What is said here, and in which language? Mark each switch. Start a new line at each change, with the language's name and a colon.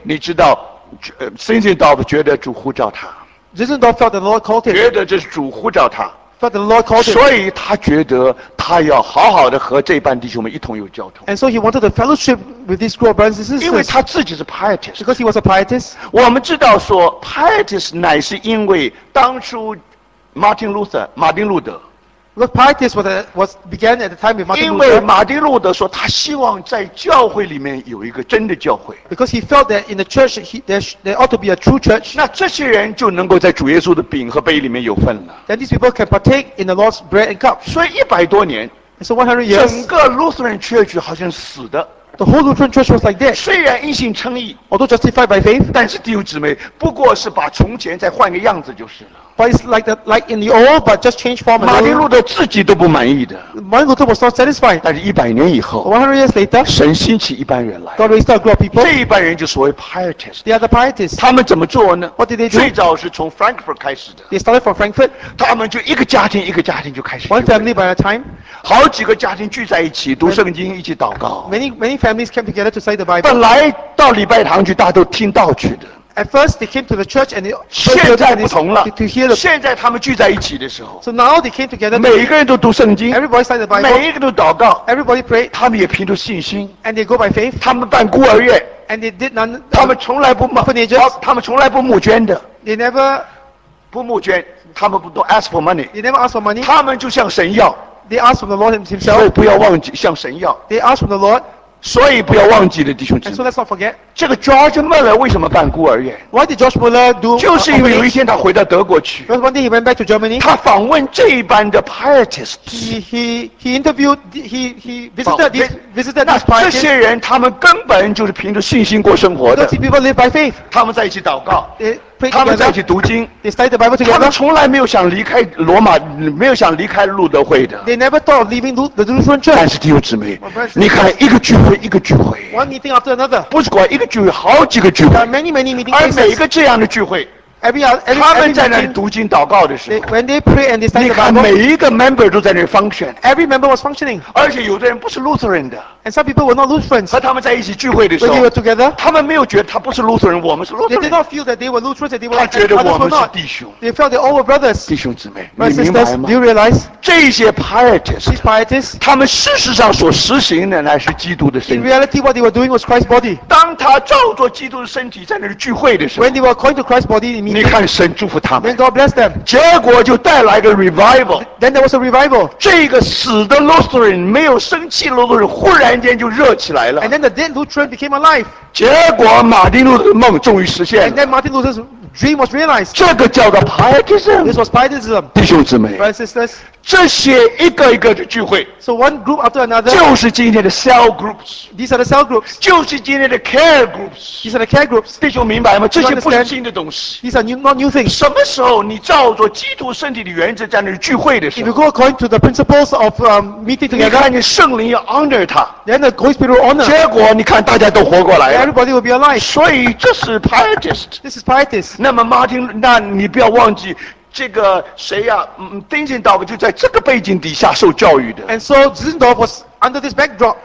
Chinese: 你知道 Zinzendorf 觉得主呼召他
English: Zinzendorf felt that the Lord called him
Chinese: 觉得这是主呼召他
English: Felt that the Lord called him
Chinese: 所以他觉得他要好好的和这班弟兄们一同有交通
English: And so he wanted a fellowshipWith this group of brothers and sisters.
Chinese: 因为他自己是 pietist.
English: Because he was a pietist.
Chinese: 我们知道说 pietist 乃是因为当初 Martin Luther, 马丁路德。
English: The pietist was began at the time of Martin Luther.
Chinese: 因为马丁路德说他希望在教会里面有一个真的教会。
English: Because he felt that in the church there ought to be a true church.
Chinese: 那这些人就能够在主耶稣的饼和杯里面有份了。
English: Then these people can partake in the Lord's bread and cup.
Chinese: 所以一百多年。
English: So 100 years.
Chinese: 整个 Lutheran church 好像死的。
English: The whole Lutheran church was like this.
Chinese: 虽然因信称义
English: although justified by faith,
Chinese: 但是弟兄姊妹不过是把从前再换个样子就是了。
English: But it's like that, like in the old, but just changed form.
Chinese: 马丁路德自己都不满意的。
English: Martin Luther was not satisfied.
Chinese: 但是一百年以后
English: ，100 years later,
Chinese: 神兴起一般人来。
English: God raised up a group of people.
Chinese: 这一般人就所谓 pietists.
English: They are the pietists.
Chinese: 他们怎么做呢
English: ？What did they do?
Chinese: 最早是从 Frankfurt 开始的。
English: They started from Frankfurt.
Chinese: 他们就一个家庭一个家庭就开始。
English: One family by a time.
Chinese: 好几个家庭聚在一起读圣经，一起祷告。
English: Many families came together to study the Bible.
Chinese: 本来到礼拜堂去，大家都听道去的。
English: At first, they came to the church and to hear the.
Chinese: 现在他们聚在一起的时候。
English: So now they came together.
Chinese: 每一个人都读圣经。
English: Everybody studied the Bible.
Chinese: 每一个都祷告。
English: Everybody prayed.
Chinese: 他们也凭着信心。
English: And they go by faith.
Chinese: 他们办孤儿院。
English: And they did none.
Chinese: 他们从来不募。他们从来不募捐的。
English: They never.
Chinese: 不募捐，他们不都
English: ask for money. They never ask for money.
Chinese: 他们就向神要。
English: They ask from the Lord himself.
Chinese: 所以不要忘记向神要。
English: They ask from the Lord.
Chinese: 所以不要忘记了，弟兄姊妹。
English: And so let's not forget.
Chinese: 这个 George Muller 为什么办孤儿院
English: ？Why did George Muller do?
Chinese: 就是因为有一天他回到德国去。
English: Because one day he went back to Germany.
Chinese: 他访问这一班的 Pietists.
English: He visited these Pietists.
Chinese: 那这些人他们根本就是凭着信心过生活的。
English: Those people live by faith.
Chinese: 他们在一起祷告。
English: Together,
Chinese: 他们在一起读经
English: they study the Bible together.
Chinese: 他们从来没有想离开罗马没有想离开路德会的
English: they never thought of leaving the Lutheran church.
Chinese: 但是弟兄姊妹你看一个聚会一个聚会
English: One meeting after another.
Chinese: 不是管一个聚会好几个聚会
English: There are many, many meeting cases.
Chinese: 而每一个这样的聚会他们在那里读经祷告的时候
English: when they pray and they study the Bible,
Chinese: 你看每一个 member 都在那里 function
English: Every member was functioning
Chinese: 而且有的人不是 Lutheran 的
English: And some people were not Lutherans
Chinese: 和他们在一起聚会的时候
English: When they were together
Chinese: 他们没有觉得他不是 Lutheran 我们是 Lutheran
English: They did not feel that they were Lutherans they were
Chinese: 他觉得我们是弟兄
English: They felt they all were brothers
Chinese: 弟兄姊妹
English: My sisters,
Chinese: 你明白吗
English: Do you realize
Chinese: 这些 Pietists
English: These Pietists
Chinese: 他们事实上所实行的乃是基督的身体
English: In reality what they were doing was Christ's body
Chinese: 当他照着基督的身体在那里聚会的时候
English: When they were according to Christ's body
Chinese: 你看神祝福他们
English: Then God bless them.
Chinese: 结果就带来个 revival
English: Then there was a revival
Chinese: 这个死的 Lutheran 没有生气的 Lutheran 忽然间就热起来了
English: And then the dead Lutheran became alive
Chinese: 结果马丁路德的梦终于实现了
English: And then Martin Luther's dream was realized.
Chinese: 这个叫做 pietism.
English: This was pietism.
Chinese: 弟兄姊妹
English: ，brothers and sisters.
Chinese: 这些一个一个的聚会
English: ，so one group after another.
Chinese: 就是今天的 cell groups.
English: These are the cell groups.
Chinese: 就是今天的 care groups.
English: These are the care groups.
Chinese: 弟兄明白吗？这些不是新的东西。
English: These are not new things.
Chinese: 什么时候你照着基督身体的原则在那里聚会的时候
English: ？If you go according to the principles of meeting together,
Chinese: 你看你圣灵要 honor 他
English: ，then the Holy Spirit will honor.
Chinese: 结果你看大家都活过来了
English: ，everybody will be alive.
Chinese: 所以这是 pietist.
English: This is pietist.
Chinese: 那么 Martin， 那你不要忘记。这个谁呀、丁金道夫就在这个背景底下受教育的。
English: And so Zinzendorf was under this backdrop.